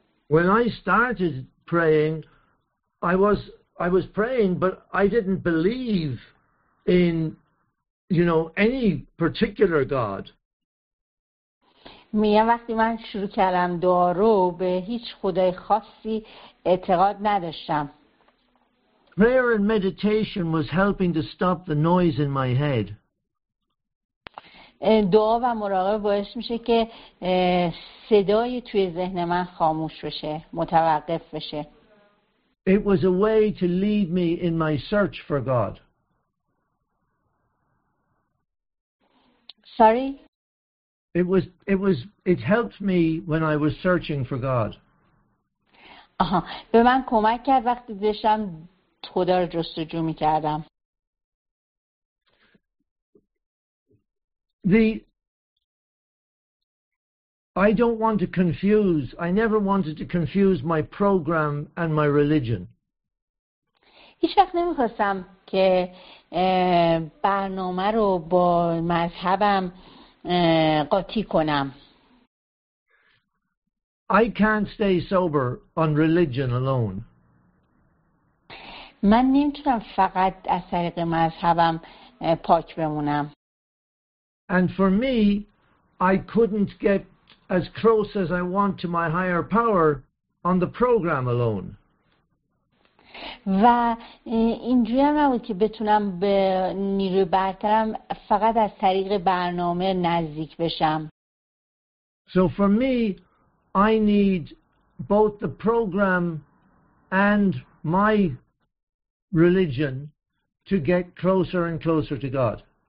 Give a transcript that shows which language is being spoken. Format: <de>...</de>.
<en>When I started praying, I was praying, but I didn't believe in, you know, any particular God.</en> <fa>میگم وقتی من شروع کردم دعا رو به هیچ خدای خاصی اعتقاد نداشتم.</fa> <en>Prayer and meditation was helping to stop the noise in my head.</en> <fa>دعا و مراقبه باعث میشه که صدای توی ذهن من خاموش بشه، متوقف بشه.</fa> <en>It was a way to lead me in my search for God. Sorry? It helped me when I was searching for God.</en> <fa>آها، به من کمک کرد وقتی داشتم خدا رو جستجو می‌کردم.</fa> <en>I don't want to confuse. I never wanted to confuse my program and my religion.</en> <fa>هیچ وقت نمی‌خواستم که برنامه رو با مذهبم قاطی کنم.</fa> <en>I can't stay sober on religion alone.</en> <fa>من نمی‌تونم فقط از طریق مذهبم پاک بمونم.</fa> <en>And for me, I couldn't get as close as I want to my higher power on the program alone.</en> <fa>و اینجوری هم نبود که بتونم به نیروی برترم فقط از طریق برنامه نزدیک بشم.</fa> <en>So for me, I need both the program and my religion to get closer and closer to God.</en>